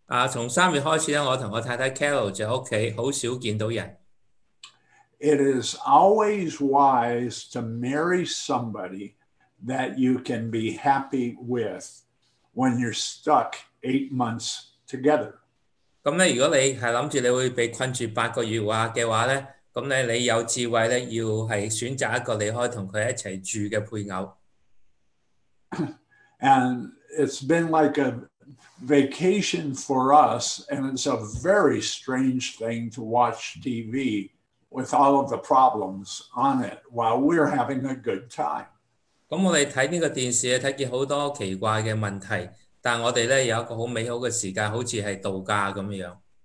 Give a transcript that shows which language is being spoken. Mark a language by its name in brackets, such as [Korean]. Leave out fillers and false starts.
[Cantonese] 从三月开始咧，我同我太太 Carol 就喺屋企，好少见到人。 [English] It is always wise to marry somebody that you can be happy with when you're stuck 8 months together. [Cantonese] 咁咧，如果你系谂住你会被困住八个月嘅话咧，咁咧你有智慧咧，要系选择一个你可以同佢一齐住嘅配偶。 [English] And it's been like a vacation for us, and it's a very strange thing to watch TV with all of the problems on it while we're having a good time. [Cantonese] 咁我哋睇呢个电视咧，睇见好多奇怪嘅问题，但我哋咧有一个好美好嘅时间，好似系度假咁样。